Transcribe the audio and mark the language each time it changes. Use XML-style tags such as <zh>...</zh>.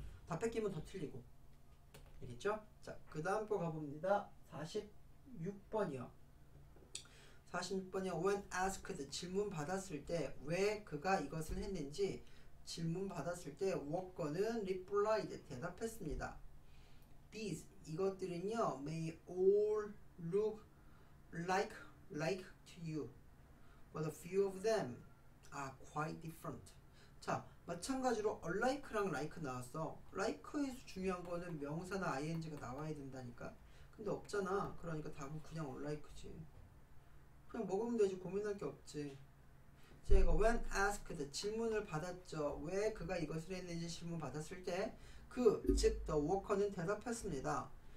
<ko>다 뺏기면 더 틀리고. 알겠죠? 자, 그 다음 거 가봅니다. 46번이요. 46번이요. When asked, 질문 받았을 때왜 그가 이것을 했는지 질문 받았을 때 워커는 replied, 대답했습니다.</ko> <en>These,</en> <ko>이것들은요,</ko> <en>may all look like to you, but a few of them are quite different.</en> <ko>자, 마찬가지로 alike랑 like 나왔어. like에서 중요한 거는 명사나 ing가 나와야 된다니까. 근데 없잖아. 그러니까 답은 그냥 alike지. 그냥 먹으면 되지. 고민할 게 없지. 제가 when asked, 질문을 받았죠. 왜 그가 이것을 했는지 질문 받았을 때, 즉, the worker는 대답했습니다.</ko>